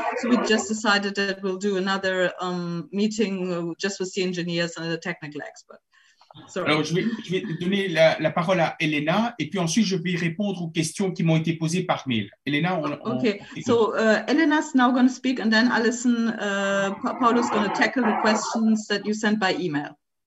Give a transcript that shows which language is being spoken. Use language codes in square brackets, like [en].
[en] So we just decided that we'll do another meeting just with the engineers and the technical experts. Sorry. [fr] Alors, je vais donner la parole à Elena et puis ensuite je vais répondre aux questions qui m'ont été posées par mail. Elena, [en] Elena's now going to speak and then Alison, Paolo's going to tackle the questions that you sent by email.